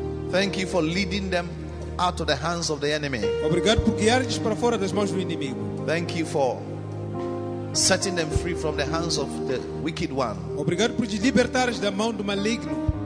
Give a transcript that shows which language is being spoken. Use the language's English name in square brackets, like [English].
[English] Thank you for leading them out of the hands of the enemy. [Portuguese] Obrigado por guiar-lhes para fora das mãos do inimigo. [English] Thank you for setting them free from the hands of the wicked one. [Portuguese] Obrigado por lhes libertares da mão do maligno.